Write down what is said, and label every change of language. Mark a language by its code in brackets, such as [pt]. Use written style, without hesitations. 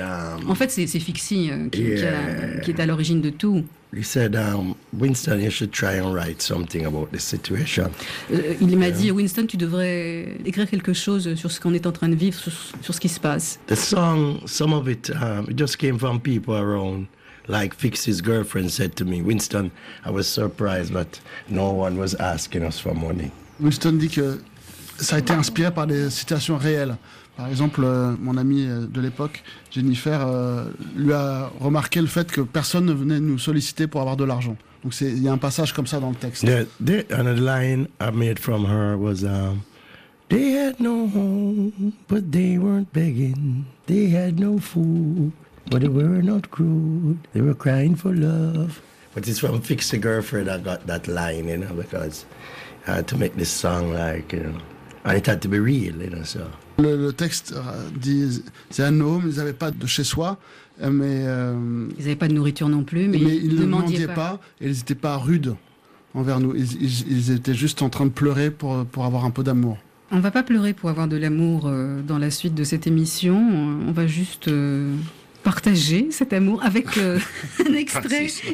[fr] en fait, c'est Fixie qui est à l'origine de tout. [en] He said, Winston, you should try and write something about this situation. [fr] Il m'a dit, Winston, tu devrais écrire quelque chose sur ce qu'on est en train de vivre, sur ce qui se passe. [en] The song, some of it, it just came from people around. Like Fix's girlfriend said to me, Winston, I was surprised, but no one was asking us for money. [fr] Winston dit que ça a été inspiré par des situations réelles. Par exemple, mon amie de l'époque, Jennifer, lui a remarqué le fait que personne ne venait nous solliciter pour avoir de l'argent. Donc il y a un passage comme ça dans le texte. [en] Another line I made from her was, they had no home, but they weren't begging. They had no food, but they were not crude. They were crying for love. But it's from Fix the Girlfriend I got that line, you know, because I had to make this song like, you know, and it had to be real, you know, so. [fr] Le texte dit, c'est un homme, ils n'avaient pas de chez soi, mais... ils n'avaient pas de nourriture non plus, mais ils ne demandaient pas. Et ils n'étaient pas rudes envers nous, ils étaient juste en train de pleurer pour avoir un peu d'amour. On ne va pas pleurer pour avoir de l'amour dans la suite de cette émission, on va juste partager cet amour avec un extrait.